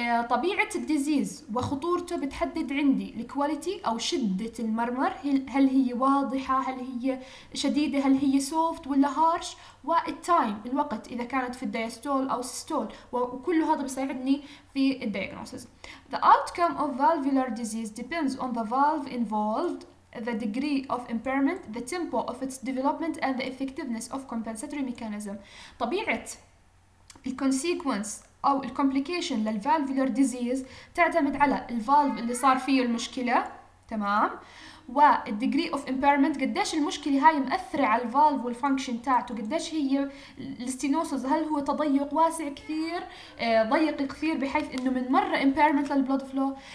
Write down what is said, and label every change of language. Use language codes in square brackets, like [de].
[ar] طبيعه الديزيز وخطورته بتحدد عندي الكواليتي او شده المرمر، هل هي واضحه هل هي شديده هل هي سوفت ولا هارش، والتايم الوقت اذا كانت في الدايستول او سيستول، وكل هذا بيساعدني في الدياجنوسيس. [en] The outcome of valvular disease depends on the valve involved, the degree of impairment, the tempo of its development and the effectiveness of compensatory mechanism. [ar] طبيعة [en] the consequence [ar] أو [en] the complication [ar] للvalvular disease تعتمد على الفالف اللي صار فيه المشكلة. تمام. وال [en] degree of impairment [ar] قديش المشكلة هاي مأثرة على الفالف والfunction تاعته، قديش هي الستينوسز، هل هو تضيق واسع كثير ضيق كثير بحيث انه من مرة impairment للblood flow.